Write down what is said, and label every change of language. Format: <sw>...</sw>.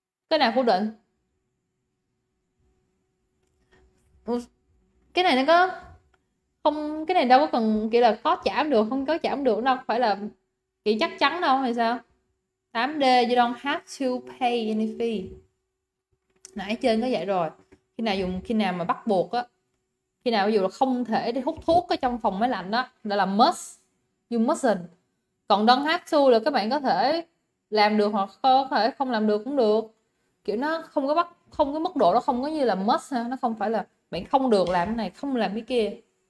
<vi>Cái nào phủ định? Cái này nó có không, cái này đâu có cần kiểu là khó trả được, không có trả được đâu, phải là kiểu chắc chắn đâu hay sao?</vi> <en>8D, you don't have to pay any fee.</en> <vi>Nãy trên có dạy rồi. Khi nào dùng, khi nào mà bắt buộc á. Khi nào ví dụ là không thể đi hút thuốc ở trong phòng máy lạnh đó, đó là must.</vi> <en>You mustn't.</en> <vi>Còn don't have to là các bạn có thể làm được hoặc có thể không làm được cũng được. Kiểu nó không có bắt, không có mức độ nó không có như là must ha. Nó không phải là bạn không được làm cái này, không làm cái kia.</vi>